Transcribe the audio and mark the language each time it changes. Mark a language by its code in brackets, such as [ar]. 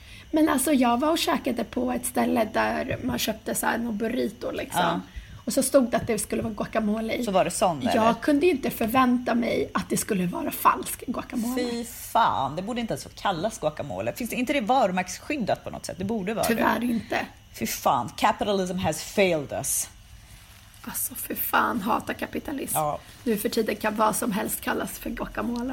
[sv] Men alltså jag var och käkade på ett ställe där man köpte så här någon burrito liksom. Ja. Och så stod det att det skulle vara guacamole i. Så var det sån där. Jag kunde ju inte förvänta mig att det skulle vara falsk guacamole. Fy fan, det borde inte ens kallas guacamole. Finns det inte det varumärkesskyddat på något sätt? Det borde vara. Tyvärr det. Inte. Fy fan, [en] capitalism has failed us. [sv] Alltså för fan, hata kapitalism. Ja. Nu för tiden kan vad som helst kallas för guacamole.